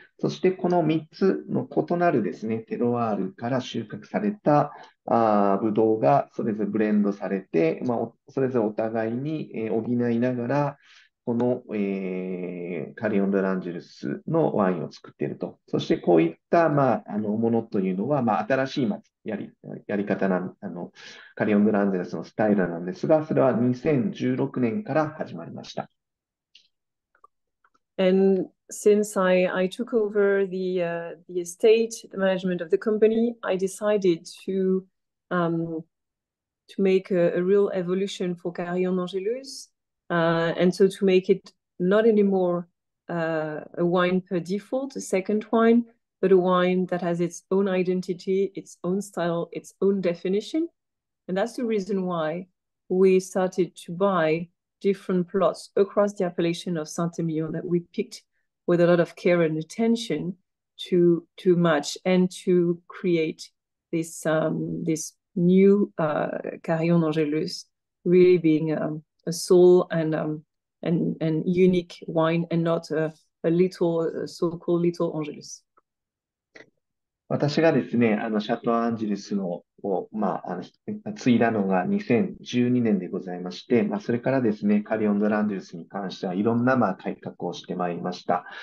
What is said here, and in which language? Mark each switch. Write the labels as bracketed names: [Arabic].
[Japanese] そしてこの3つの異なるですね、テロワールから収穫されたブドウがそれぞれブレンドされて、まあ、それぞれお互いに補いながら、この、カリオンドランジェルスのワインを作っていると。そしてこういった、まあ、ものというのは、まあ、新しい、まあ、やり方なん、あの、カリオンドランジェルスのスタイルなんですが、それは2016年から始まりました。 [English] And since I took over the estate, the management of the company, I decided to to make a real evolution for Carillon Angelus, and so to make it not anymore a wine per default, a second wine, but a wine that has its own identity, its own style, its own definition. And that's the reason why we started to buy different plots across the appellation of Saint-Emilion that we picked with a lot of care and attention to match and to create this this new Carillon Angelus, really being a sole and unique wine and not a little so-called little Angelus. [Japanese] 私がですね、あのシャトーアンジェルスのを、まあ、あの継いだのが2012年でございまして、まあ、それからですね、カリオン・ド・ランジェルスに関してはいろんな、まあ、改革をしてまいりました。